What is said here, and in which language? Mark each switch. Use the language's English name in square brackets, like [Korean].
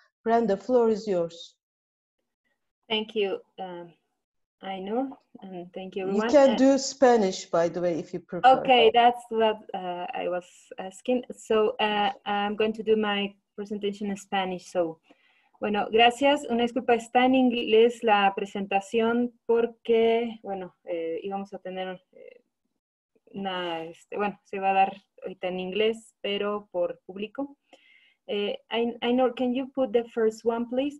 [English] Brenda, floor is yours. Thank you, Aynur, and thank you, everyone. You can do Spanish, by the way, if you prefer. Okay, that's what I was asking. So I'm going to do my presentation in Spanish. [Spanish] So, bueno, gracias. Una disculpa, está en inglés la presentación porque, bueno, íbamos a tener una, bueno, se va a dar ahorita en inglés, pero por público. [English] Aynur, can you put the first one, please?